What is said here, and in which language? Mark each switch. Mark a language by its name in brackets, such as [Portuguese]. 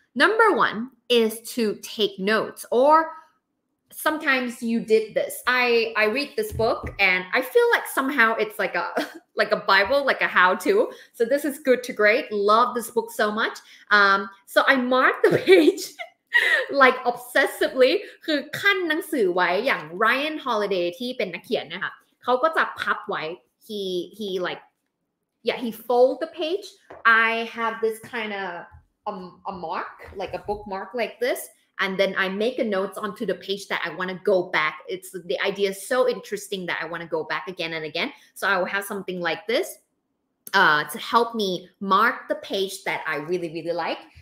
[English] Number one is to take notes, or sometimes you did this. I read this book and I feel like somehow it's like a Bible, like a how-to. So this is good to great. Love this book so much. So I marked the page like obsessively. [Thai] คือขั้นหนังสือไว้อย่าง Ryan Holiday ที่เป็นนักเขียนนะคะเขาก็จะพับไว้ [English] he like yeah he fold the page. I have this kind ofa mark, like a bookmark like this, and then I make a note onto the page that I want to go back. It's the idea is so interesting that I want to go back again and again. So I will have something like this to help me mark the page that I really, really like.